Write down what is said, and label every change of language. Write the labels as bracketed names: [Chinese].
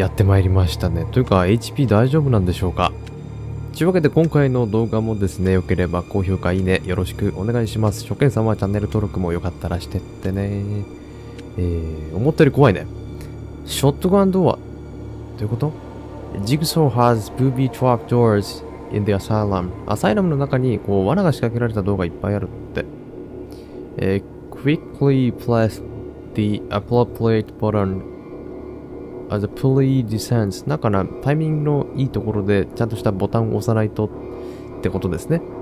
[Japanese] やってまいりましたね。というか HP 大丈夫なんでしょうか。というわけで今回の動画もですね、よければ高評価、いいね、よろしくお願いします。初見さんはチャンネル登録もよかったらしてってね。思ったより怖いね。ショットガンドア、どういうこと？ [English] Jigsaw has booby trap doors in the asylum。 [Japanese] アサイラムの中にこう罠が仕掛けられた動画いっぱいあるって。 [English] Quickly press the appropriate buttonas the pulley descends。 [Japanese] なんかな、タイミングのいいところでちゃんとしたボタンを押さないとってことですね。